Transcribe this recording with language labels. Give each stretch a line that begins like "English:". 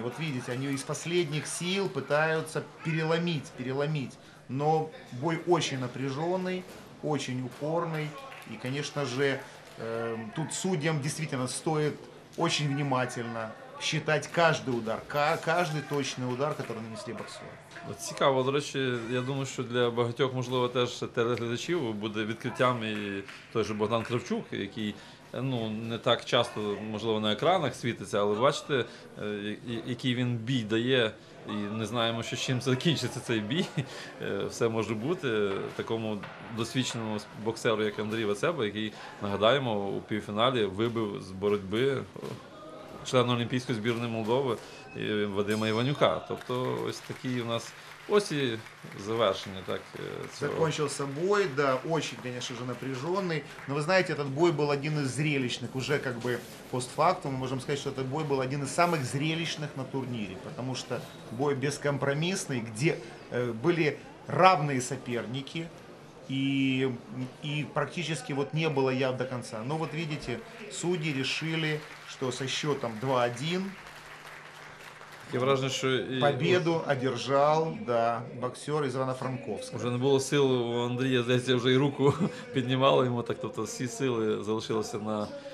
Russian: Вот видите, они из последних сил пытаются переломить. Но бой очень напряженный, очень упорный. И, конечно же, тут судьям действительно стоит очень внимательно считать каждый удар, каждый точный удар, который нанесли боксеры.
Ukrainian: Цікаво, до речі, я думаю, що для багатьох, можливо, теж телеглядачів буде відкриттям і той же Богдан Кравчук, який ну, не так часто, можливо, на екранах світиться, але бачите, який він бій дає, і не знаємо, що з чим закінчиться цей бій. Все може бути такому досвідченому боксеру, як Андрій Вацеба, який, нагадаємо, у півфіналі вибив з боротьби члена Олімпійської збірної Молдови і Вадима Іванюка. Тобто ось такі у нас, ось і завершення. Так,
Russian: закончився бой, да, очень, конечно же, напряженный. Но вы знаете, этот бой был один из зрелищных, уже как бы постфактум. Мы можем сказать, что этот бой был один из самых зрелищных на турнире, потому что бой бескомпромиссный, где были равные соперники, и практически вот не было яв до конца. Но вот видите, судьи решили, что со счетом 2-1,
Ukrainian: таке враження, що победу одержав, да, боксер із Івано-Франковська. Уже не було сил у Андрія, здається, вже й руку піднімало йому, так, тобто всі сили залишилися на